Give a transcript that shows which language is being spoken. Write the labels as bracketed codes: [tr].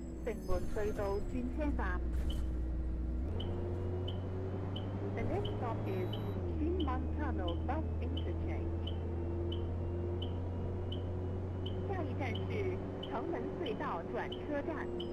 [zh] 城门隧道转车站。 [en] The next stop is Xin Man Tunnel Bus Interchange. [zh] 下一站是城门隧道转车站。